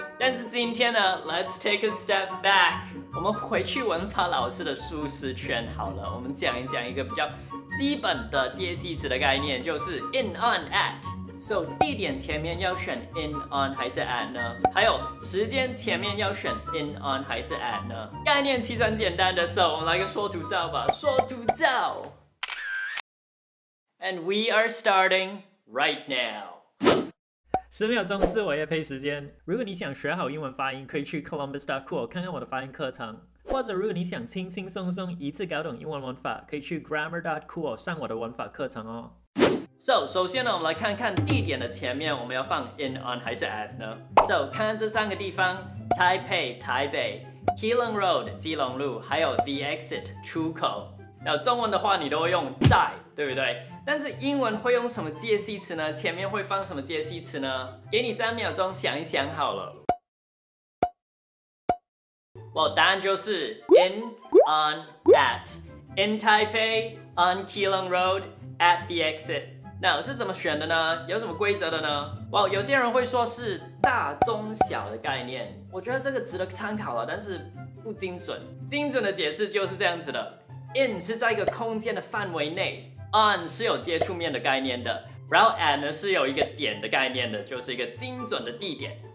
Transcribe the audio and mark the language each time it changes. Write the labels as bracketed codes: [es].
[zh] 但是今天呢 ， [en] Let's take a step back， [zh] 我们回去文法老师的舒适圈好了。我们讲一讲一个比较基本的介系词的概念，就是 in on at。 So 地点前面要选 in on 还是 at 呢？还有时间前面要选 in on 还是 at 呢？概念其实很简单的 ，So 我们来个缩图照吧，缩图照。 [en] And we are starting right now. [zh] 十秒钟自我业配时间。如果你想学好英文发音，可以去 columbus.cool 看看我的发音课程。或者如果你想轻轻松松一次搞懂英文文法，可以去 grammar.cool 上我的文法课程哦。 So, 首先呢，我们来看看地点的前面我们要放 in on 还是 at 呢？ So, 看看这三个地方， Taipei 台北， Keelung Road 基隆路，还有 the exit 出口。那中文的话你都会用在，对不对？但是英文会用什么介系词呢？前面会放什么介系词呢？给你三秒钟想一想好了。 Well, 答案就是 in, on, at. [en] In Taipei, on Keelung Road, at the exit. [zh] 那是怎么选的呢？有什么规则的呢？ Well, 有些人会说是大、中、小的概念。我觉得这个值得参考了，但是不精准。精准的解释就是这样子的。 In 是在一个空间的范围内， On 是有接触面的概念的，然后 At 呢是有一个点的概念的，就是一个精准的地点。